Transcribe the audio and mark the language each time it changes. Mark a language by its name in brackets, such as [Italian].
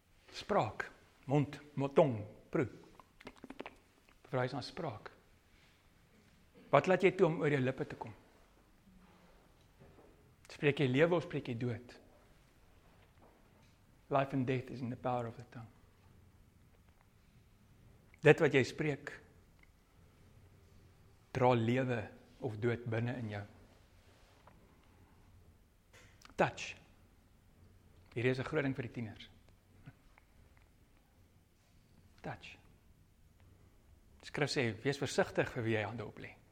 [Afrikaans] Spraak, mond, tong, proe. Verwijs aan spraak. Wat laat jy toe om oor jou lippe te kom? Spreek jy lewe of spreek jy dood? [English] Life and death is in the power of the tongue. [Afrikaans] Dit wat jy spreek, dra lewe of dood binne in jou. Touch. Hier is 'n groot ding vir die tieners. Touch. Skrif sê, wees versigtig vir wie jy hande op lê.